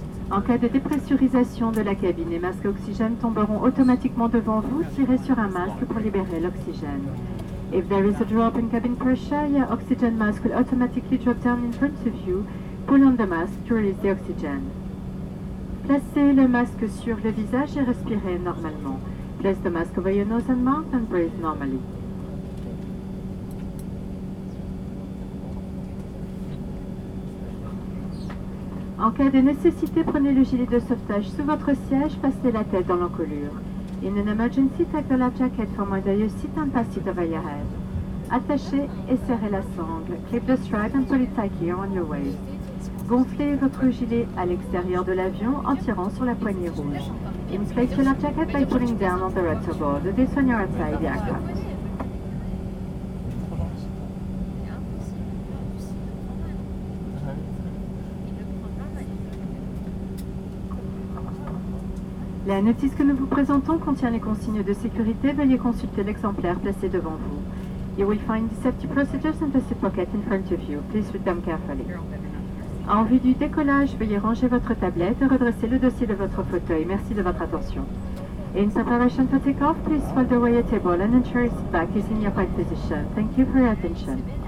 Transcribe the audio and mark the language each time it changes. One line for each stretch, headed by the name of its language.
French: En cas de dépressurisation de la cabine, les masques oxygène tomberont automatiquement devant vous. Tirez sur un masque pour libérer l'oxygène.
English: If there is a drop in cabin pressure, your oxygen mask will automatically drop down in front of you. Pull on the mask to release the oxygen.
French: Placez le masque sur le visage et respirez normalement.
English: Place the mask over your nose and mouth and breathe normally.
French: En cas de nécessité, prenez le gilet de sauvetage sous votre siège, passez la tête dans l'encolure.
English: In an emergency, take the life jacket from under your seat and pass it over your head.
French: Attachez et serrez la sangle.
English: Clip the strap and pull it tight here on your waist.
French: gonfler votre gilet à l'extérieur de l'avion en tirant sur la poignée rouge.
English: Inflate your life jacket by pulling down on the rudder board. This one you're outside the aircraft.
French: La notice que nous vous présentons contient les consignes de sécurité. Veuillez consulter l'exemplaire placé devant vous.
English: You will find the safety procedures in the seat pocket in front of you. Please read them carefully.
French: En vue du décollage, veuillez ranger votre tablette et redresser le dossier de votre fauteuil. Merci de votre attention.
English: In preparation for takeoff, please fold away your table and ensure your seatback is in your right position. Thank you for your attention.